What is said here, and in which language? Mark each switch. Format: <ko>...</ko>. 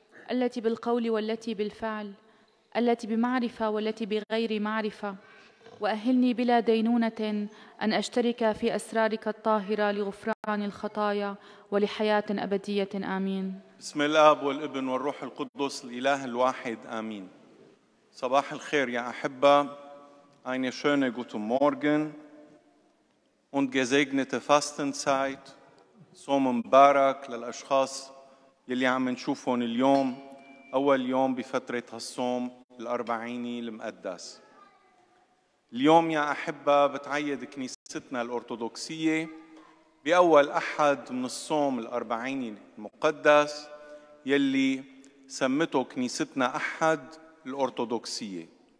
<ar>التي بالقول والتي بالفعل، التي بمعرفة والتي بغير معرفة، وأهلني بلا دينونة أن أشترك في أسرارك الطاهرة لغفران الخطايا ولحياة أبدية. آمين. بسم الأب والابن والروح القدس الإله الواحد. آمين. صباح الخير يا أحبة.</ar> <de>Eine schöne guten Morgen und gesegnete Fastenzeit.</de> <ar>So Mubarak للأشخاص يلي عم نشوفهم اليوم أول يوم بفترة الصوم الأربعيني المقدس. اليوم يا أحبة بتعيد كنيستنا الأرثوذكسية بأول أحد من الصوم الأربعيني المقدس يلي سمته كنيستنا أحد الأرثوذكسية.</ar>